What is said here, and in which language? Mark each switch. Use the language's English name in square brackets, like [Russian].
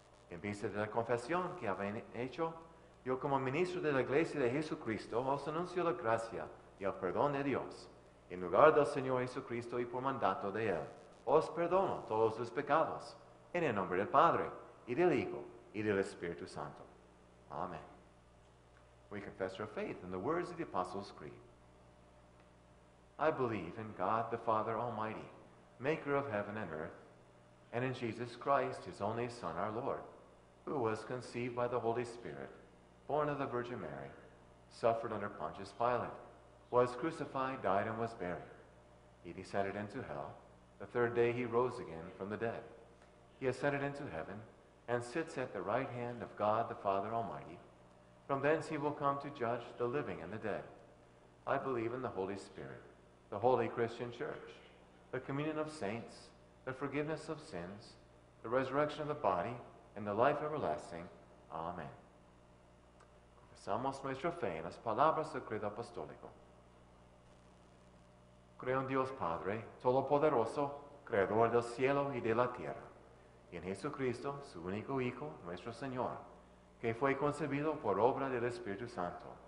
[Spanish] En vista de la confesión que habéis hecho, yo como ministro de la Iglesia de Jesucristo os anuncio la gracia y el perdón de Dios. En lugar del Señor Jesucristo y por mandato de Él, os perdono todos los pecados, en el nombre del Padre, y del Hijo, y del Espíritu Santo. Amén. [English] We confess our faith in the words of the Apostles' Creed. I believe in God the Father Almighty, maker of heaven and earth, and in Jesus Christ, his only Son, our Lord, who was conceived by the Holy Spirit, born of the Virgin Mary, suffered under Pontius Pilate, was crucified, died, and was buried. He descended into hell. The third day he rose again from the dead. He ascended into heaven and sits at the right hand of God the Father Almighty. From thence he will come to judge the living and the dead. I believe in the Holy Spirit, the Holy Christian Church, the communion of saints, the forgiveness of sins, the resurrection of the body, and the life everlasting. Amen. [Spanish] Confesamos nuestra fe en las palabras del Credo Apostólico. Creo en Dios Padre, Todopoderoso, Creador del cielo y de la tierra, y en Jesucristo, su único Hijo, nuestro Señor, que fue concebido por obra del Espíritu Santo,